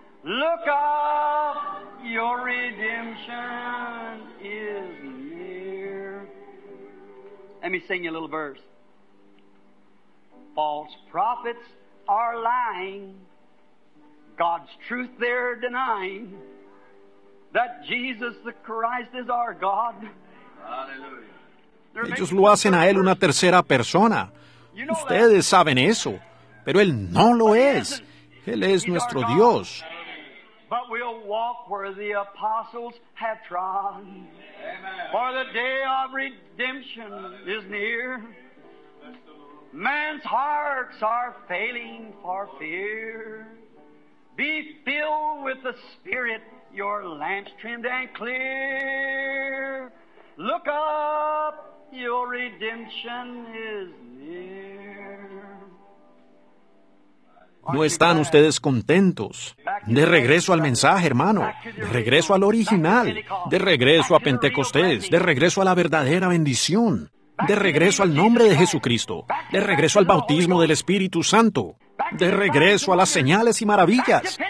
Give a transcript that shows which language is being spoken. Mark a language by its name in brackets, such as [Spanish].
[English] Look up, your redemption is near. Let me sing you a little verse. False prophets are lying, God's truth they're denying, that Jesus the Christ is our God. Hallelujah. [Spanish] Ellos lo hacen a Él una tercera persona. Ustedes saben eso, pero Él no lo es. Él es nuestro Dios. [English] But we'll walk where the apostles have trod. For the day of redemption is near. Man's hearts are failing for fear. Be filled with the Spirit, your lamps trimmed and clear. Look up, your redemption is near. [Spanish] ¿No están ustedes contentos? De regreso al mensaje, hermano. De regreso al original. De regreso a Pentecostés. De regreso a la verdadera bendición. De regreso al nombre de Jesucristo. De regreso al bautismo del Espíritu Santo. De regreso a las señales y maravillas.